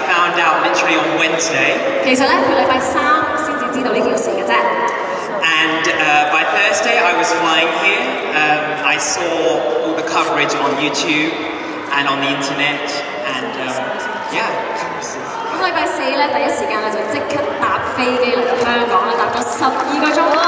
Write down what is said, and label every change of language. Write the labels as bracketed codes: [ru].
[yue] 其實咧，佢禮拜三先至知道呢件事嘅啫。 [en] And by Thursday I was flying here. I saw all the coverage on YouTube and on the internet. And yeah. [yue] 咁禮拜四咧，第一時間我就即刻搭飛機嚟到香港啦，搭咗12个钟。